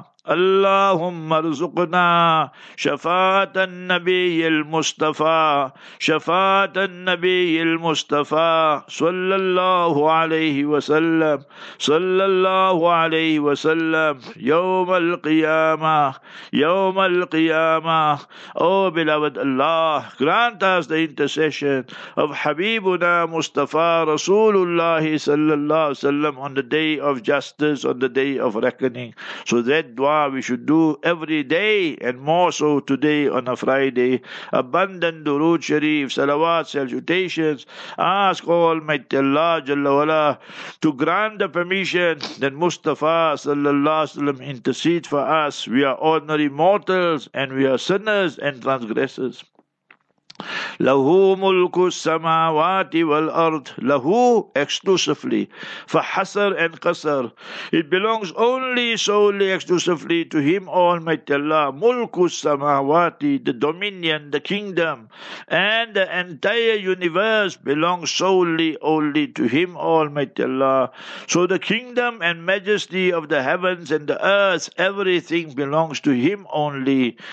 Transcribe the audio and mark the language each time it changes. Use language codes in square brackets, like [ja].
[ar] اللهم ارزقنا شفاعة النبي المصطفى شفاعة النبي المصطفى صلى الله عليه وسلم صلى الله عليه وسلم يوم القيامة يوم القيامة. [en] Oh beloved Allah, grant us the intercession of [ar] حبيبنا مصطفى رسول الله صلى الله عليه وسلم [en] on the day of justice, on the day of reckoning. So that dua we should do every day, and more so today on a Friday. Abundant durood sharif, salawat, salutations. Ask Almighty Allah Jalla Wala to grant the permission that Mustafa Sallallahu Alaihi Wasallam intercede for us. We are ordinary mortals, and we are sinners and transgressors. [ar] له ملك السماوات والأرض له exclusively فحسر and قصر. [en] It belongs only solely exclusively to him Almighty Allah. [ar] ملك السماوات, [en] the dominion, the kingdom and the entire universe belongs solely only to him Almighty Allah. So the kingdom and majesty of the heavens and the earth, everything belongs to him only.